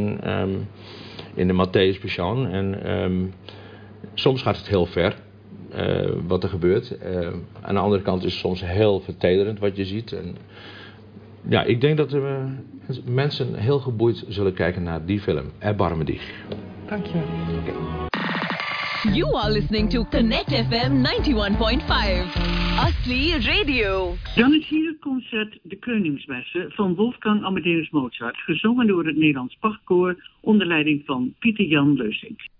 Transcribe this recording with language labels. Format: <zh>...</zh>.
<nl>En in de Matthäus-persoon. En soms gaat het heel ver wat er gebeurt. Aan de andere kant is het soms heel vertederend wat je ziet. En ja, ik denk dat mensen heel geboeid zullen kijken naar die film.</nl> <de>Erbarme dich.</de> <nl>Dank je. Okay.</nl> <en>You are listening to Connect FM 91.5, Asli Radio.</en> <nl>Dan is hier het concert De Koningsmessen van Wolfgang Amadeus Mozart, gezongen door het Nederlands Bachkoor onder leiding van Pieter Jan Leusink.</nl>